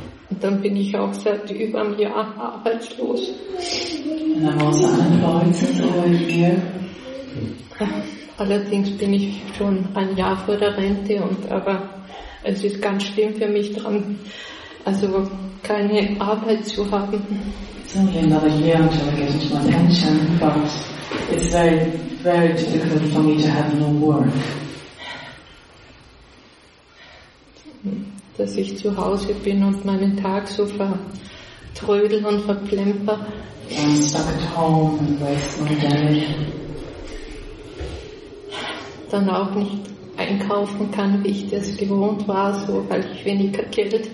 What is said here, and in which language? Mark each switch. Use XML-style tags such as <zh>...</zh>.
<de>Und dann bin ich auch seit über einem Jahr arbeitslos.</de> <en>And I'm also unemployed over here.</en> <de>Allerdings bin ich schon ein Jahr vor der Rente, und aber es ist ganz schlimm für mich dran, also keine Arbeit zu haben.</de> <en>It's only another year until I get into my pension, but it's very, very difficult for me to have no work.</en> <de>Dass ich zu Hause bin und meinen Tag so vertrödel und verplemper.</de> <en>I'm stuck at home and waste my day.</en> <de>Dann auch nicht einkaufen kann, wie ich das gewohnt war, so, weil ich weniger Geld</de>